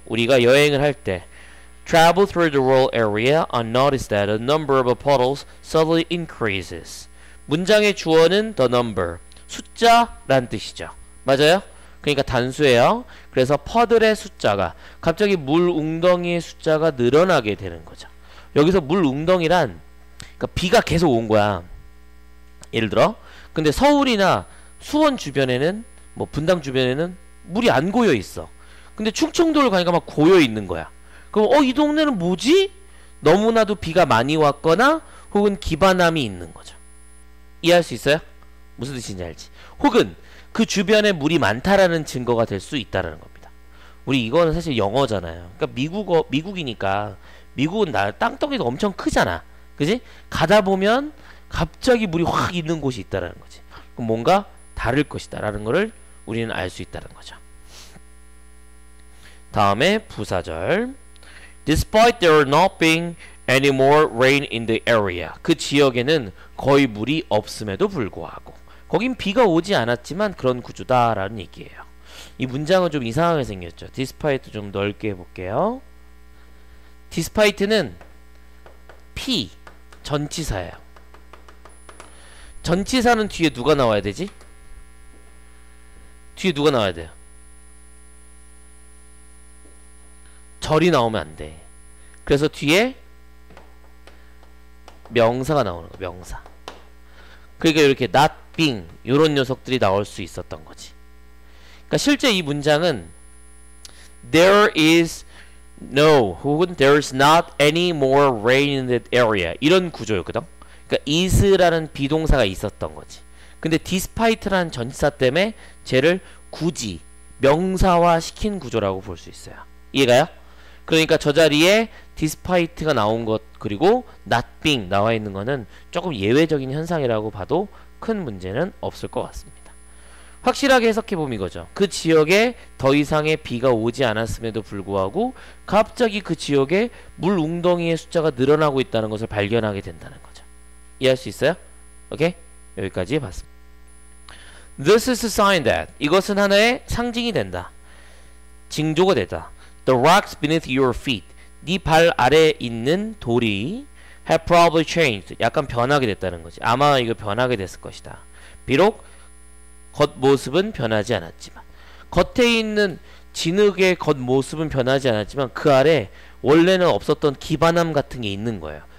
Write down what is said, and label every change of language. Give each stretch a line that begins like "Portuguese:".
Korean: 우리가 여행을 할 때
English: travel through the rural area and notice that a number of puddles suddenly increases.
Korean: 문장의 주어는
English: the number.
Korean: 숫자란 뜻이죠. 맞아요? 그러니까 단수예요. 그래서 퍼들의 숫자가 갑자기 물 웅덩이의 숫자가 늘어나게 되는 거죠. 여기서 물 웅덩이란 그러니까 비가 계속 온 거야. 예를 들어. 근데 서울이나 수원 주변에는 뭐 분당 주변에는 물이 안 고여 있어. 근데 충청도를 가니까 막 고여 있는 거야. 그럼 이 동네는 뭐지? 너무나도 비가 많이 왔거나 혹은 기반함이 있는 거죠. 이해할 수 있어요? 무슨 뜻인지 알지? 혹은 그 주변에 물이 많다라는 증거가 될 수 있다라는 겁니다. 우리 이거는 사실 영어잖아요. 그러니까 미국이니까 미국은 땅덩이도 엄청 크잖아. 그지? 가다 보면 갑자기 물이 확 있는 곳이 있다라는 거지. 그럼 뭔가 다를 것이다 라는 것을 우리는 알 수 있다는 거죠. 다음에 부사절.
English: Despite there not being any more rain in the area.
Korean: 그 지역에는 거의 물이 없음에도 불구하고. 거긴 비가 오지 않았지만 그런 구조다 라는 얘기예요. 이 문장은 좀 이상하게 생겼죠. Despite 좀 넓게 해볼게요. Despite는 P 전치사예요. 전치사는 뒤에 누가 나와야 되지? 뒤에 누가 나와야 돼요? 절이 나오면 안 돼. 그래서 뒤에 명사가 나오는 거, 명사. 그러니까 이렇게 not, being 이런 녀석들이 나올 수 있었던 거지. 그러니까 실제 이 문장은
English: there is no
Korean: 혹은
English: there's not any more rain in that area
Korean: 이런 구조였거든. 그러니까 is라는 비동사가 있었던 거지. 근데 despite라는 전치사 때문에 쟤를 굳이 명사화 시킨 구조라고 볼 수 있어요. 이해가요? 그러니까 저 자리에 despite가 나온 것 그리고 not being 나와 있는 거는 조금 예외적인 현상이라고 봐도 큰 문제는 없을 것 같습니다. 확실하게 해석해보면 이거죠. 그 지역에 더 이상의 비가 오지 않았음에도 불구하고 갑자기 그 지역에 물웅덩이의 숫자가 늘어나고 있다는 것을 발견하게 된다는 거죠. 이해할 수 있어요? 오케이? 여기까지 봤습니다.
English: This is a sign that
Korean: 이것은 하나의 상징이 된다. 징조가 되다.
English: The rocks beneath your feet
Korean: 네 발 아래 있는 돌이
English: have probably changed
Korean: 약간 변하게 됐다는 거지. 아마 이거 변하게 됐을 것이다. 비록 겉모습은 변하지 않았지만 겉에 있는 진흙의 겉모습은 변하지 않았지만 그 아래 원래는 없었던 기반암 같은 게 있는 거예요.